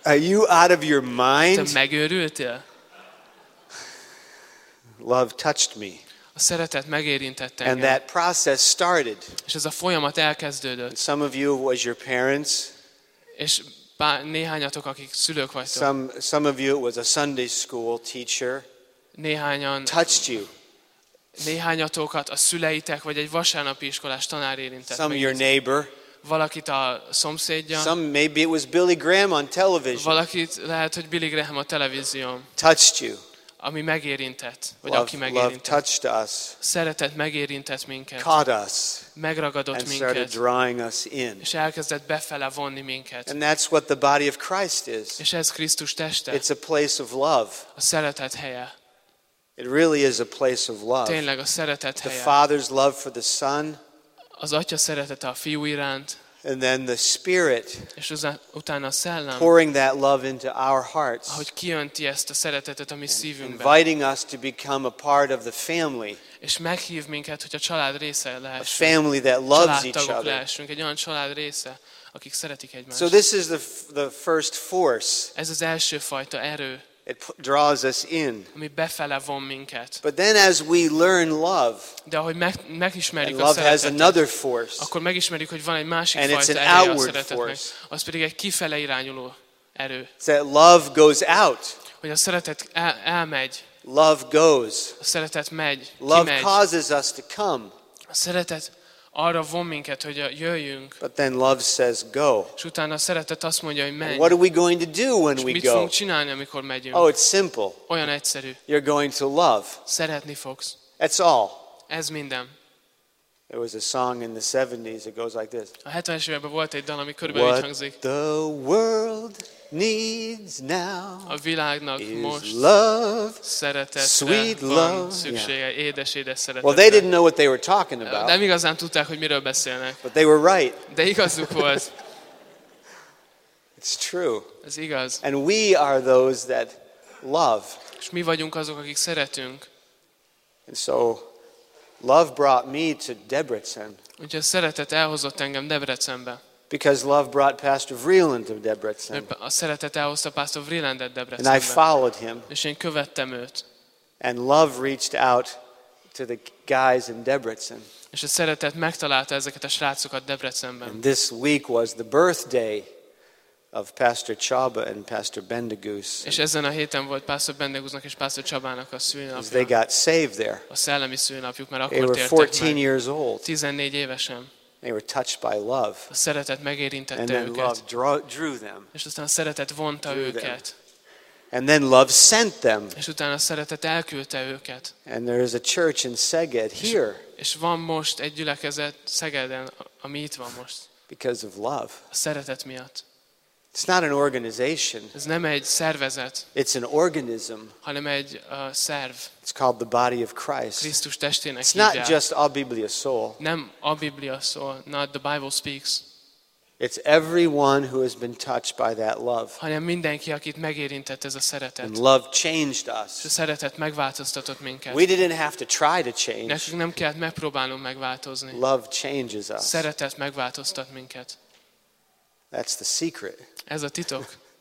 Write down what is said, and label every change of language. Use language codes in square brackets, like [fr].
[en] Are you out of your mind? [hu] Te megőrültél? [en] Love touched me. [hu] A szeretet megérintette engem. [en] And that process started. [hu] És ez a folyamat elkezdődött. [en] And some of you was your parents. [hu] És néhányatok, akik szülők vagytok. [en] Some of you it was a Sunday school teacher. [hu] Néhányan [en] touched you. [hu] Néhányatokat a szüleitek vagy egy vasárnapi iskolás tanár érintett. [en] Some your neighbor. [hu] Valakit a szomszédja. [en] Some maybe it was Billy Graham on television. [hu] Valakit lehet, hogy Billy Graham a televízión. [en] Touched you. [hu] Ami megérintett, vagy love, aki megérintett. [en] Love touched us. [hu] Szeretet megérintett minket. [en] Caught us. [hu] Megragadott [en] and And started drawing us in. [hu] És elkezdett befele vonni minket. [en] And that's what the body of Christ is. [hu] És ez Krisztus teste. [en] It's a place of love. [hu] A szeretet helye. [en] It really is a place of love. [hu] Tényleg a szeretet helye. [en] The Father's love for the Son. [hu] Az Atya szeretete a Fiú iránt. [en] And then the Spirit [hu] és utána a szellem, [en] pouring that love into our hearts, [hu] ahogy kiönti ezt a szeretetet a mi szívünkbe, [en] inviting us to become a part of the family, [hu] és meghív minket, hogy a család része lehessünk, [en] a family that loves each other, [hu] családtagok lehessünk, egy olyan család része, akik szeretik egymást. [en] So this is the first force. [hu] Ez az első fajta erő. [en] It draws us in. [hu] Ami befele von minket. [en] But then as we learn love, [hu] de ahogy megismerjük a [en] love has another force. [hu] Akkor megismerjük, hogy van egy másik [en] and [hu] fajta [en] it's an [hu] erő [en] outward [hu] a [en] force. [hu] Az pedig egy kifele irányuló erő. [en] So that love goes out. [hu] Hogy a szeretet elmegy. [en] Love goes. [hu] A szeretet megy. [en] Love [hu] kimegy. [en] Causes us to come. [hu] A szeretet arra von minket, hogy jöjjünk. [en] But then love says go. [hu] És utána a szeretet azt mondja, hogy menj. [en] And what are we going to do when we go? [hu] És mit fogunk csinálni, amikor megyünk? [en] Oh, it's simple. [hu] Olyan egyszerű. [en] You're going to love. [hu] Szeretni fogsz. [en] That's all. [hu] Ez minden. [en] There was a song in the 70s, it goes like this. [hu] A 70-es években volt egy dal, ami körülbelül így hangzik. [en] What the world needs now [hu] a világnak [en] is [hu] most [en] love, [hu] szeretetre [en] sweet [hu] van [en] love. [hu] Szüksége, édes-édes szeretetre. [en] Well, they didn't know what they were talking about. [hu] Nem igazán tudták, hogy miről beszélnek. [en] But they were right. [hu] De igazuk volt. [en] It's true. [hu] Ez igaz. [en] And we are those that love. [hu] És mi vagyunk azok, akik szeretünk. [en] And so love brought me to Debrecen. [hu] Ugye szeretet elhozott engem Debrecenbe. [en] Because love brought Pastor Vreeland to Debrecen. [hu] A szeretet elhozta Pastor Vreelandet Debrecenbe. [en] And I followed him. [hu] És én követtem őt. [en] And love reached out to the guys in Debrecen. [hu] És a szeretet megtalálta ezeket a srácokat Debrecenben. [en] And this week was the birthday of Pastor Csaba and Pastor Bendegúz. [hu] És ezen a héten volt Pastor Bendegúznak és Pastor Csabának a szülinapja. [en] They got saved there. [hu] A szellemi szülinapjuk, mert akkor tértek meg. [en] 14 years old. [hu] 14 évesen. [en] They were touched by love. [hu] A szeretet megérintette [en] and then [hu] őket. [en] Love drew them. [hu] És aztán a szeretet vonta őket. [en] Them. And then love sent them. [hu] És utána a szeretet elküldte őket. [en] And there is a church in Szeged here. [hu] És van most egy gyülekezet Szegeden, ami itt van most. [en] Because of love. [hu] A szeretet miatt. [en] It's not an organization. [hu] Ez nem egy szervezet. [en] It's an organism. [hu] Hanem egy szerv. [en] It's called the body of Christ. [hu] Krisztus testének hívják. [en] It's not just a Biblia soul. [hu] Nem a Biblia soul, [en] not the Bible speaks. It's everyone who has been touched by that love. [hu] Hanem mindenki, akit megérintett ez a szeretet. [en] And love changed us. [hu] A szeretet megváltoztatott minket. [en] We didn't have to try to change. [hu] Nekünk nem kellett megpróbálnunk megváltozni. [en] Love changes us. [hu] Szeretet megváltoztat minket. [en] That's the secret. [hu] Ez a titok.